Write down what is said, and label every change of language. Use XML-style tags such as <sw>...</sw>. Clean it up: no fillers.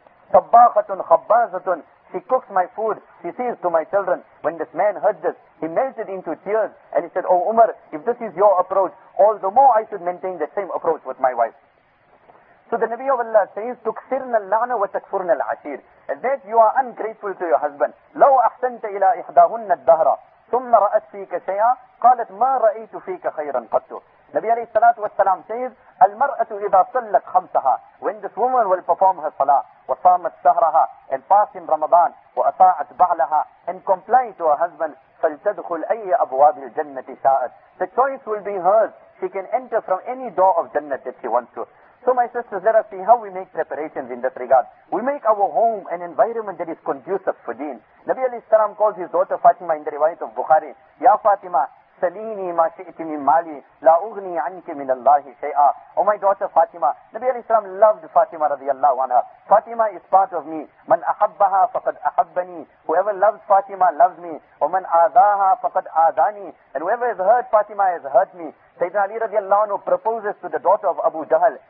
<en>Tabbakhatun khabbazatun. She cooks my food, she sees to my children. When this man heard this, he melted into tears and he said, "Oh Umar, if this is your approach, all the more I should maintain the same approach with my wife." So the Nabi of Allah says, "Tukthirna al-la'na wa takfurna al-ashir." That you are ungrateful to your husband.</en> <ar>لو أحسنت إلى إحداهن الدهر ثم رأت فيك شيئا قالت ما رأيت فيك خيرا قط.</ar> <en>Nabi alayhi salatu wa salam says, "Al-mar'atu idha sallat khamsaha." When this woman will perform her salah, wa samat sahraha, and pass in Ramadan, wa ata'at ba'laha, and comply to her husband, فَلْتَدْخُلْ أَيَّ أَبْوَابِ الْجَنَّةِ شَاءَتْ. The choice will be hers. She can enter from any door of Jannah that she wants to. So my sisters, let us see how we make preparations in this regard. We make our home an environment that is conducive for deen. Nabi alayhi salam calls his daughter Fatima in the riwayat of Bukhari, "Ya Fatima,</en> <ar>سليني ما شئت من مالي لا أغني عنك من الله شيئا.</ar> <en>Oh my daughter Fatima, Nabi Alayhi Salaam loved Fatima radiallahu anha. Fatima is part of me. من أحبها فقد أحبني. Whoever loves Fatima loves me.</en> <ar>ومن آذاها فقد آذاني.</ar> <en>And whoever has hurt Fatima has hurt me. Sayyidina Ali radiallahu anhu proposes to the daughter of Abu Jahl.</en>